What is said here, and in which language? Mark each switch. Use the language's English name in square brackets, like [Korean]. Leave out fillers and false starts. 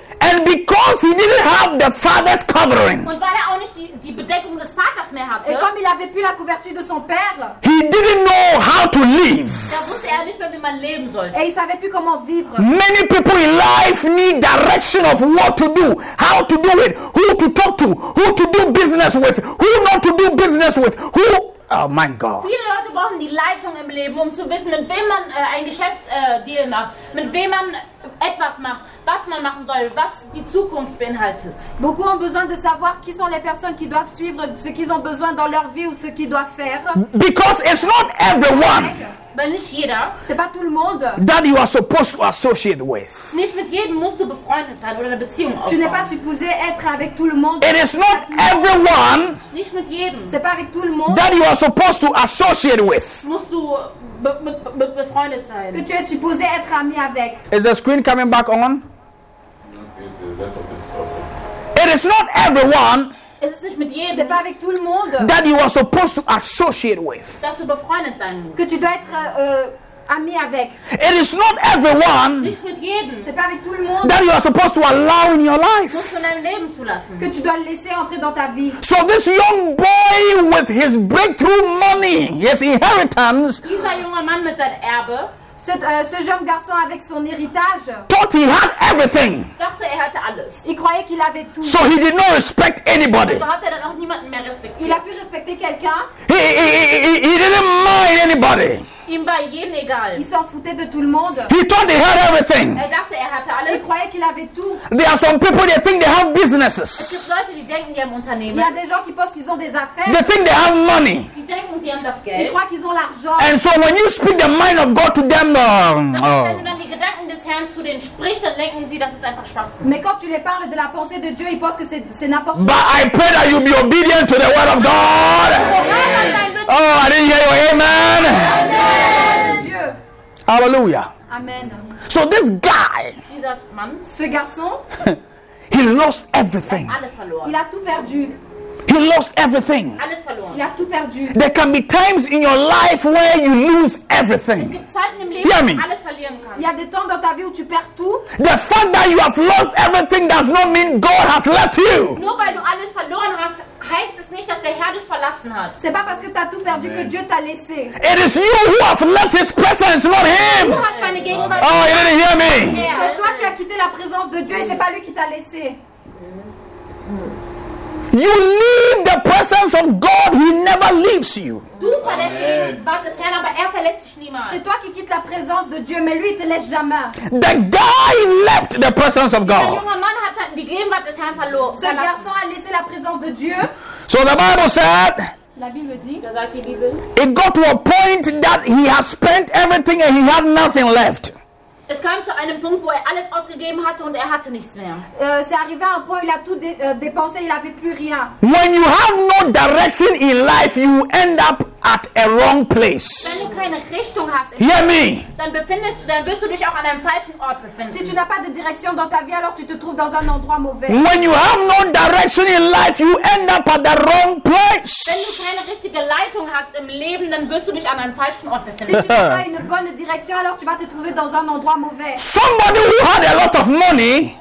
[English] And because he didn't have the father's covering. [German] Und weil er auch nicht die Bedeckung des Vaters mehr hatte. [French] Et comme il avait plus la couverture de son père. [English] He didn't know how to live. [German] Da wusste er nicht mehr, wie man leben sollte. [French] Et il savait plus comment vivre. [English] Many people in life need direction of what to do, how to do it, who to talk to, who to do business with, who not to do business with, who. Oh my God. [German] Viele Leute brauchen die Leitung im Leben, um zu wissen, mit wem man ein Geschäftsdeal macht, mit wem man etwas macht, was man machen soll, was die Zukunft beinhaltet. [French] Beaucoup ont besoin de savoir qui sont les personnes qui doivent suivre ce qu'ils ont besoin dans leur vie ou ce qu'ils doivent faire. [English] Because it's not everyone. [German] Weil nicht jeder. [French] C'est pas tout le monde. [English] That you are supposed to associate with. [German] Nicht mit jedem musst du befreundet sein oder eine Beziehung aufbauen. [French] Tu n'es pas supposé être avec tout le monde. [English] It is not everyone. [German] Nicht mit jedem. [French] C'est pas avec tout le monde. [English] That you are supposed to associate with. [German] Musst du befreundet sein. [French] Que tu es supposé être ami avec. [English] Is the screen coming back on? It is not everyone. [German] Es ist nicht mit jedem. [French] C'est pas avec tout le monde. [English] That you are supposed to associate with. [German] Dass du befreundet sein musst. [French] Que tu dois être ami avec. [English] It is not everyone. [German] Nicht mit jedem. [French] C'est pas avec tout le monde. [English] That you are supposed to allow in your life. [German] Musst du in deinem Leben zulassen. [French] Que tu dois laisser entrer dans ta vie. [English] So this young boy with his breakthrough money, his inheritance. [German] Dieser junge Mann mit seinem Erbe. [French] Ce jeune garçon avec son héritage. [English] Thought he had everything. [German] Dachte er hatte alles. [French] Il croyait qu'il avait tout. [English] So he did not respect anybody. [German] Also hat er dann auch niemanden mehr respektiert. [French] Il a pu respecter quelqu'un. [English] He didn't mind anybody. [German] Ihm war jedem egal. [French] Il s'en foutait de tout le monde. [English] He thought he had everything. [German] Er dachte er hatte alles. [French] Il croyait qu'il avait tout. [English] There are some people they think they have businesses. [German] Es gibt Leute, die denken, die haben Unternehmen. [French] Il y a des gens qui pensent qu'ils ont des affaires. [English] They think they have money. [German] Sie denken, sie haben das Geld. [French] Ils croient qu'ils ont l'argent. [English] And so when you speak the mind of God to them, [German] wenn du dann die Gedanken des Herrn zu denen sprichst, dann denken sie, das ist einfach Schwachsinn. [French] Mais quand tu les parles de la pensée de Dieu, ils pensent que c'est n'importe [English] quoi. But I pray that you be obedient to the word of God. Oh, I didn't hear your amen. Amen. Hallelujah. Amen. So this guy, [French] ce garçon, [English] he lost everything. [French] Il a tout perdu. [English] He lost everything. [German] Alles verloren. [French] Il a tout perdu. [English] There can be times in your life where you lose everything. Hear me? [German] Alles verlieren kannst. [French] Il y a des temps dans ta vie où tu perds tout. [English] The fact that you have lost everything does not mean God has left you. [German] Nur weil du alles verloren hast, heißt es nicht, dass der Herr dich verlassen hat. [French] C'est pas parce que tu as tout perdu que Dieu t'a laissé. [English] It is you who have left his presence, not him. Oh, you didn't hear me? [French] C'est toi qui as quitté la présence de Dieu et c'est pas lui qui t'a laissé. [English] You leave the presence of God, he never leaves you. [German] Du verlässt ihn, but das Herr, aber er verlässt dich niemals. [French] C'est toi qui quittes la présence de Dieu, mais lui, il te laisse jamais. [English] The guy left the presence of God. [German] Der junge Mann hat die Gegenwart des Herrn verloren. [French] Ce garçon a laissé la présence de Dieu. [English] So the Bible said, [French] la Bible dit, [English] it got to a point that he has spent everything and he had nothing left. [German] Es kam zu einem Punkt, wo er alles ausgegeben hatte und er hatte nichts mehr. [French] C'est arrivé à un point, il a tout dépensé, il avait plus rien. [English] When you have no direction in life, you end up at a wrong place. [German] Wenn du keine Richtung hast, [English] hear me. [German] Dann wirst du dich auch an einem falschen Ort befinden. [French] Si tu n'as pas de direction dans ta vie, alors tu te trouves dans un endroit mauvais. [English] When you have no direction in life, you end up at the wrong place. [German] Wenn du keine richtige Leitung hast im Leben, dann wirst du dich an einem falschen Ort befinden. [French] Si tu n'as pas une bonne direction, alors tu vas te trouver dans un endroit mauvais. [English] Somebody who had a lot of money,